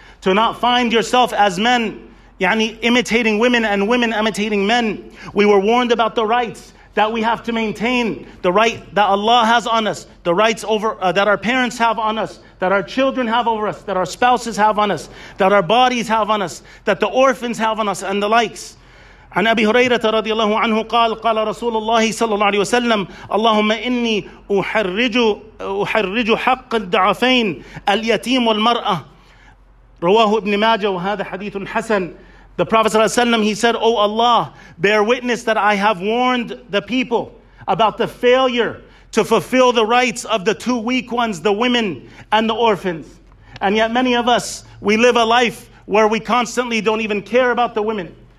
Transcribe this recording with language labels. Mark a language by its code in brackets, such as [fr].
[en] To not find yourself as men, yani imitating women and women imitating men. We were warned about the rights that we have to maintain. The right that Allah has on us. The rights over that our parents have on us. That our children have over us. That our spouses have on us. That our bodies have on us. That the orphans have on us and the likes. [ar] عن أبي هريرة رضي الله عنه قال قال رسول الله صلى الله عليه وسلم اللهم إني أحرج حق الضعفين اليتيم والمرأة. رواه ابن ماجه وهذا حديث حسن. [en] The Prophet صلى الله عليه وسلم, he said, oh Allah, bear witness that I have warned the people about the failure to fulfill the rights of the two weak ones, the women and the orphans. And yet many of us, we live a life where we constantly don't even care about the women.